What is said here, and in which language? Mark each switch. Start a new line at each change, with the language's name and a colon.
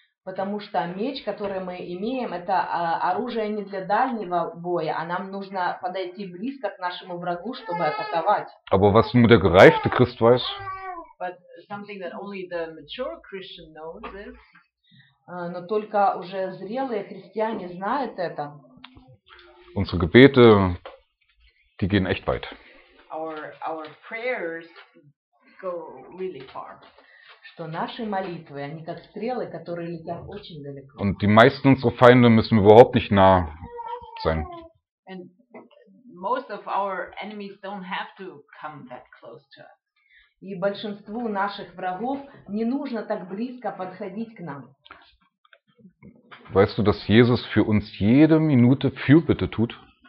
Russian: Потому что меч, который мы имеем, это оружие не для дальнего боя, а нам нужно подойти близко к нашему врагу, чтобы атаковать.
German: Aber was nur der gereifte Christ weiß?
English: But something that only the mature Christian knows is.
Russian: Но только уже зрелые христиане знают это.
German: Unsere Gebete, die gehen echt weit.
English: Our prayers go really far.
Russian: Что наши молитвы, они как стрелы, которые летят очень далеко.
German: Und die meisten unserer Feinde müssen überhaupt nicht nah sein.
English: And most of our enemies don't have to come that close to us.
Russian: И большинству наших врагов не нужно так близко подходить к нам.
German: Weißt du, dass Jesus für uns jede Minute Fürbitte tut?